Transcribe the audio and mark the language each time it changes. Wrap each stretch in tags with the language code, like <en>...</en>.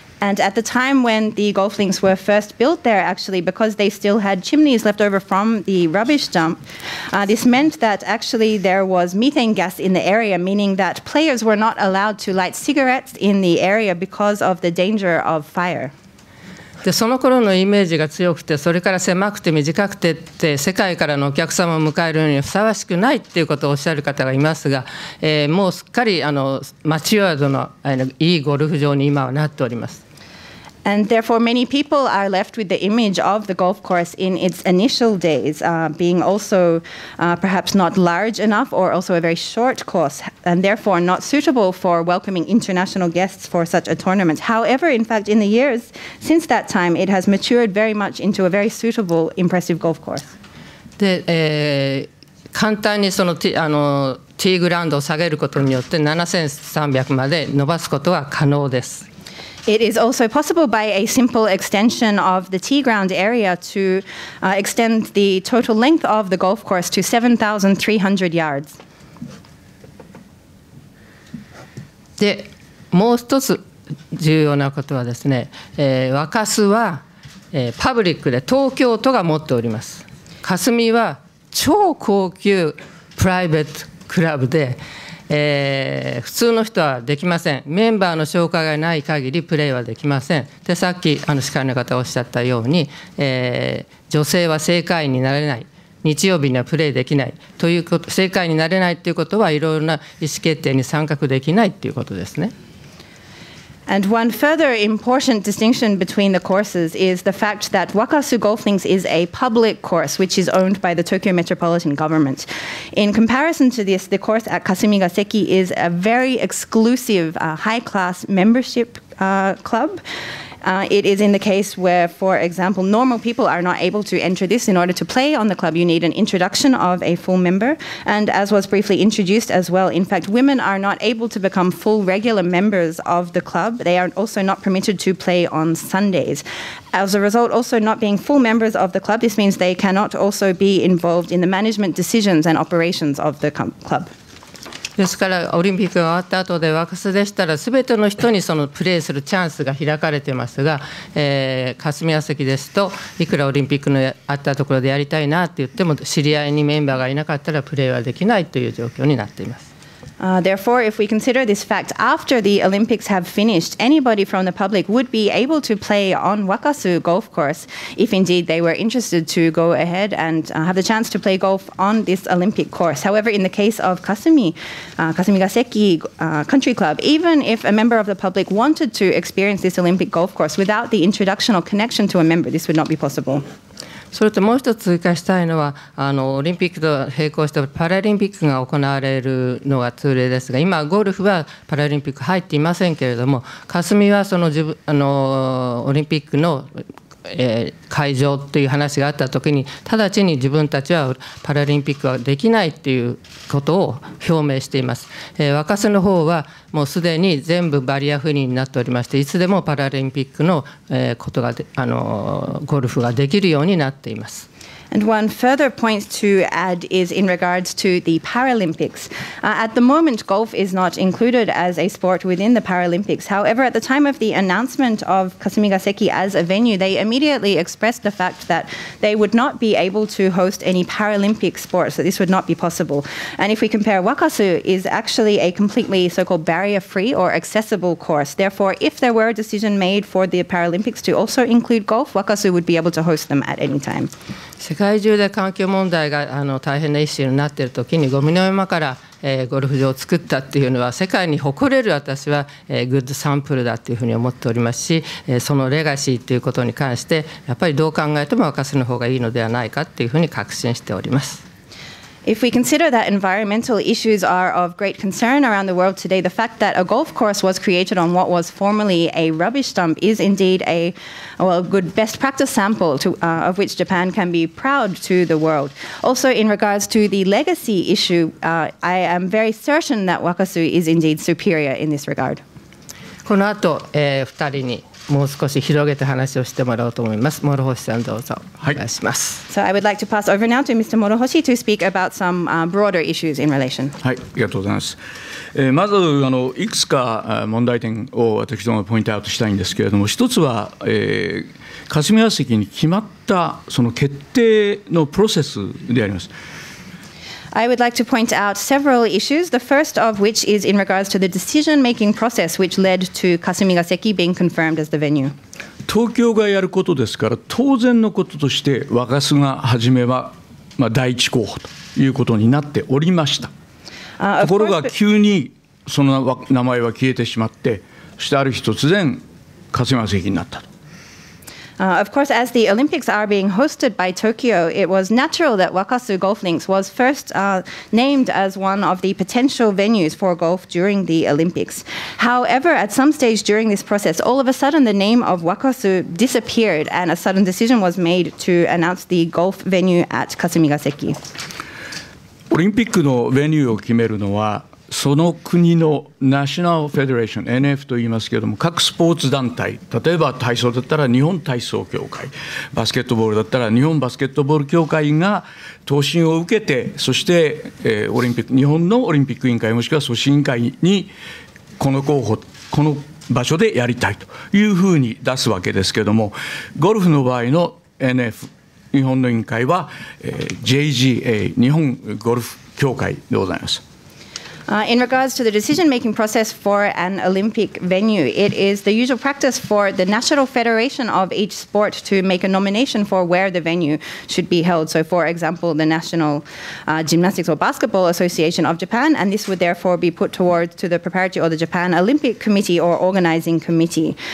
<en>And at the time when the golf links were first built there, actually, because they still had chimneys left over from the rubbish dump, this meant that actually there was methane gas in the area, meaning that players were not allowed to light cigarettes in the area because of the danger of fire.</en> <ja>で、その頃のイメージが強くて、それから狭くて短くてって、世界からのお客様を迎えるのにふさわしくないっていうことをおっしゃる方がいますが、もうすっかりマチュアードのいいゴルフ場に今はなっております。</ja> <en>And therefore many people are left with the image of the golf course in its initial days, being also perhaps not large enough or also a very short course, and therefore not suitable for welcoming international guests for such a tournament. However, in fact, in the years since that time, it has matured very much into a very suitable, impressive golf course.</en> <ja>で、簡単にそのティーグラウンドを下げることによって7300まで伸ばすことは可能です。</ja> <en>It is also possible by a simple extension of the tee ground area to extend the total length of the golf course to 7,300 yards.</en> <ja>で、もう一つ重要なことはですね、ワカスは、パブリックで東京都が持っております。霞は超高級プライベートクラブで、普通の人はできません。メンバーの紹介がない限りプレーはできません。で、さっき司会の方がおっしゃったように、女性は正会員になれない、日曜日にはプレーできないということ、正会員になれないということは、いろいろな意思決定に参画できないということですね。</ja> <en>And one further important distinction between the courses is the fact that Wakasu Golf Links is a public course, which is owned by the Tokyo Metropolitan Government. In comparison to this, the course at Kasumigaseki is a very exclusive, high-class membership club. It is in the case where, for example, normal people are not able to enter this. In order to play on the club, you need an introduction of a full member. And as was briefly introduced as well, in fact, women are not able to become full regular members of the club. They are also not permitted to play on Sundays. As a result, also not being full members of the club, this means they cannot also be involved in the management decisions and operations of the club.</en> <ja>ですからオリンピックが終わった後でワカスでしたら全ての人にそのプレーするチャンスが開かれていますが、霞ヶ関ですといくらオリンピックのあったところでやりたいなって言っても知り合いにメンバーがいなかったらプレーはできないという状況になっています。</ja> <en>Therefore, if we consider this fact, after the Olympics have finished, anybody from the public would be able to play on Wakasu Golf Course if indeed they were interested to go ahead and have the chance to play golf on this Olympic course. However, in the case of Kasumi, Kasumigaseki Country Club, even if a member of the public wanted to experience this Olympic golf course without the introductional connection to a member, this would not be possible.</en> <ja>それともう一つ追加したいのは、オリンピックと並行してパラリンピックが行われるのが通例ですが、今ゴルフはパラリンピック入っていませんけれども、霞はその自分オリンピックの、会場という話があったときに、直ちに自分たちはパラリンピックはできないということを表明しています。ワカスの方はもうすでに全部バリアフリーになっておりまして、いつでもパラリンピックの、ことがゴルフができるようになっています。</ja> <en>And one further point to add is in regards to the Paralympics. At the moment, golf is not included as a sport within the Paralympics. However, at the time of the announcement of Kasumigaseki as a venue, they immediately expressed the fact that they would not be able to host any Paralympic sports, that this would not be possible. And if we compare, Wakasu is actually a completely so-called barrier-free or accessible course. Therefore, if there were a decision made for the Paralympics to also include golf, Wakasu would be able to host them at any time.</en> <ja>世界中で環境問題が大変なイシューになっているときに、ゴミの山から、ゴルフ場を作ったっていうのは、世界に誇れる私は、グッドサンプルだというふうに思っておりますし、そのレガシーということに関して、やっぱりどう考えても若すの方がいいのではないかというふうに確信しております。</ja> <en>If we consider that environmental issues are of great concern around the world today, the fact that a golf course was created on what was formerly a rubbish dump is indeed a good best practice sample of which Japan can be proud to the world. Also, in regards to the legacy issue, I am very certain that Wakasu is indeed superior in this regard.</en> <ja>この後、2人にもう少し広げて話をしてもらおうと思います。 Morohoshi さんどうぞお願いします。</ja> <en>So I would like to pass over now to Mr. Morohoshi to speak about some broader issues in relation.</en> <ja>はい、ありがとうございます。まずいくつか問題点を私どもがポイントアウトしたいんですけれども、一つは、霞が関に決まったその決定のプロセスであります。</ja> <en>I would like to point out several issues, the first of which is in regards to the decision-making process which led to Kasumigaseki being confirmed as the venue.</en> <ja>東京がやることですから、当然のこととして若洲がはじめは、まあ、第一候補ということになっておりました。ところが急にその名前は消えてしまって、そしてある日突然Kasumigaseki になったと。</ja> <en>Of course, as the Olympics are being hosted by Tokyo, it was natural that Wakasu Golf Links was first named as one of the potential venues for golf during the Olympics. However, at some stage during this process, all of a sudden the name of Wakasu disappeared and a sudden decision was made to announce the golf venue at Kasumigaseki.</en> <ja>オリンピックのベニューを決めるのはその国のナショナルフェデレーション NF と言いますけれども、各スポーツ団体、例えば体操だったら日本体操協会、バスケットボールだったら日本バスケットボール協会が答申を受けて、そして、オリンピック日本のオリンピック委員会もしくは組織委員会にこの候補この場所でやりたいというふうに出すわけですけれども、ゴルフの場合の NF 日本の委員会は、JGA 日本ゴルフ協会でございます。</ja> <en>In regards to the decision-making process for an Olympic venue, it is the usual practice for the national federation of each sport to make a nomination for where the venue should be held. So, for example, the National Gymnastics or Basketball Association of Japan, and this would therefore be put towards to the preparatory or the Japan Olympic Committee or organizing committee.</en>